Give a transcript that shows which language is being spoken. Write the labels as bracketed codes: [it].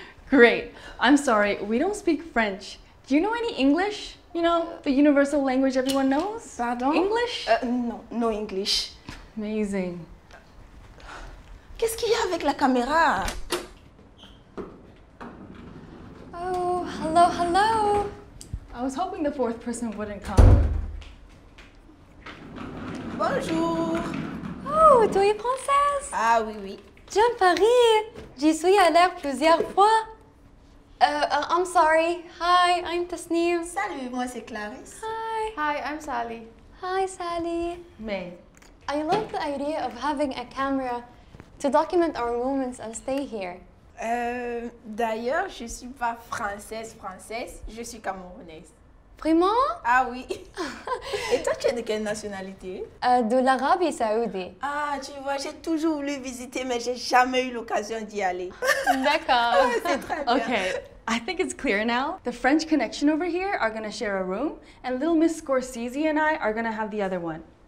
[en] Great. I'm sorry, we don't speak French. Do you know any English? You know, the universal language everyone knows? [fr] Pardon? [en] English? No English. Amazing. [fr] Qu'est-ce qu'il y a avec la caméra? [en] Oh, hello, hello. I was hoping the fourth person wouldn't come. [fr] Bonjour. Oh, tu es française? Ah oui, oui. Je viens de Paris. J'y suis allée plusieurs fois. [en] I'm sorry. Hi, I'm Tasneem. [fr] Salut, moi c'est Clarisse. [en] Hi. Hi, I'm Sally. Hi, Sally. May. I love the idea of having a camera to document our moments and stay here. [fr] D'ailleurs, je suis pas française, je suis camerounaise. Vraiment? Ah oui. Et toi, tu es de quelle nationalité? De l'Arabie Saoudite. Ah, tu vois, j'ai toujours voulu visiter, mais j'ai jamais eu l'occasion d'y aller. D'accord. Ouais, c'est très bien. [en] Okay. I think it's clear now. The French connection over here are gonna share a room, and little Miss Scorsese and I are gonna have the other one.